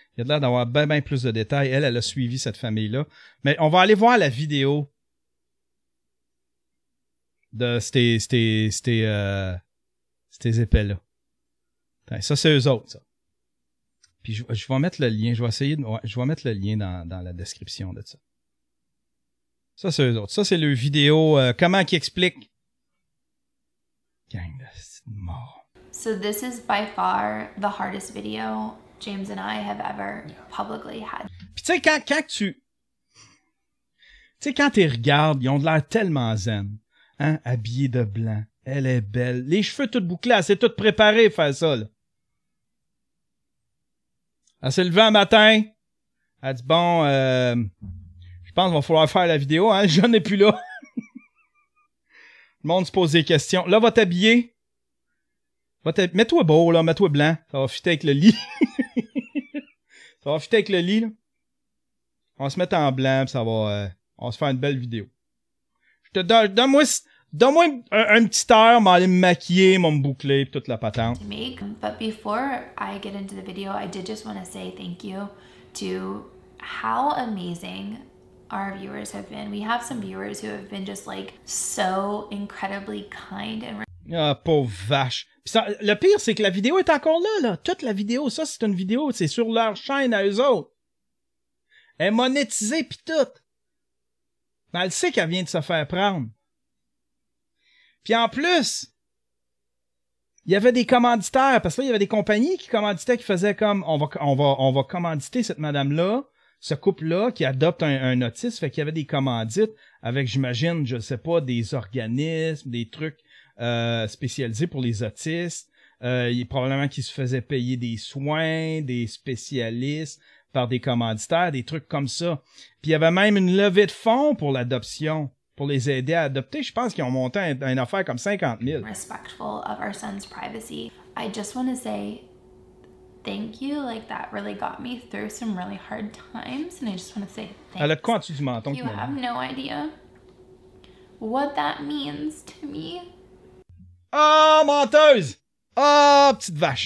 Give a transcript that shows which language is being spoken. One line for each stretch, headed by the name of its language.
French: Il y a de l'air d'avoir bien plus de détails. Elle a suivi cette famille-là. Mais on va aller voir la vidéo de ces épais-là. Ça, c'est eux autres, ça. Puis je vais mettre le lien, je vais mettre le lien dans la description de ça. Ça, c'est eux autres. Ça, c'est le vidéo, comment qu'ils expliquent. Gang de mort.
English: So this is by far the hardest video James and I have ever publicly had.
French: Puis tu sais, quand tu regardes, ils ont de l'air tellement zen, hein, habillés de blanc, elle est belle, les cheveux tout bouclés, elle s'est toute préparée à faire ça, là. Elle s'est levée un matin, elle dit « Bon, je pense qu'il va falloir faire la vidéo, hein, je n'ai plus là. » Le monde se pose des questions. Là, va t'habiller. Mets-toi beau, là, mets-toi blanc. Ça va fitter avec le lit. Ça va fitter avec le lit, là. On va se mettre en blanc, puis ça va... on va se faire une belle vidéo. Donne-moi une petite heure, m'en aller me maquiller, m'en me boucler, puis toute la patente.
English: But before I get into the video, I did just want to say thank you to how amazing our viewers have been. We have some viewers who have been just like so incredibly kind and...
French: Ah, pauvre vache. Ça, le pire, c'est que la vidéo est encore là, là. Toute la vidéo, ça, c'est une vidéo, c'est sur leur chaîne à eux autres. Elle est monétisée, puis tout. Mais elle sait qu'elle vient de se faire prendre. Puis en plus, il y avait des commanditaires, parce que là, il y avait des compagnies qui commanditaient, qui faisaient comme, on va commanditer cette madame-là, ce couple-là, qui adopte un autiste, fait qu'il y avait des commandites avec, j'imagine, je sais pas, des organismes, des trucs spécialisés pour les autistes. Probablement qu'ils se faisaient payer des soins, des spécialistes par des commanditaires, des trucs comme ça. Puis il y avait même une levée de fonds pour l'adoption. Pour les aider à adopter, je pense qu'ils ont monté une affaire comme 50 000.
English: Respectful of our son's privacy. I just want to say thank you. Like, that really got me through some really hard times. And I just want to say thank you.
French: Elle a de quoi en dessous du menton?
English: You have no idea what that means to me.
French: Ah, menteuse! Ah, petite vache!